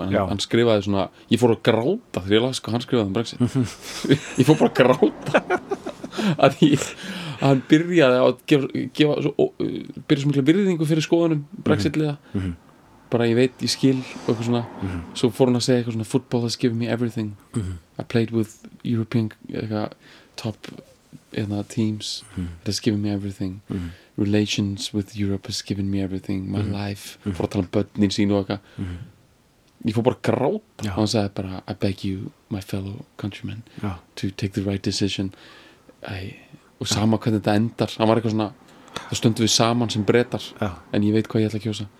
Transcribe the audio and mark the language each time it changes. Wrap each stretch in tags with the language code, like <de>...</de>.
<is>Hann skrifaði svona Ég fór að gráta þegar ég las sko, hann skrifaði um Brexit Ég fór bara að gráta hann byrjaði að gefa svo, byrja svo mikla virðingu fyrir skoðunum Brexit liða bara ég veit, ég skil og eitthvað svona mm-hmm. svo fór hann að segja eitthvað svona</is> <en>football has given me everything mm-hmm. I played with European</en> <is>eitthvað,</is> <en>top eitthvað, teams mm-hmm. it has given me everything mm-hmm. relations with Europe has given me everything my mm-hmm. life</en> <is>mm-hmm. fór að tala börnin sín og eitthvað mm-hmm. ég fór bara grát og hann sagði bara</is> <en>I beg you, my fellow countrymen to take the right decision</en> <is>og sama hvernig þetta endar hann var eitthvað svona Það stundum við saman sem bretar Já. En ég veit hvað ég ætla að kjósa</is>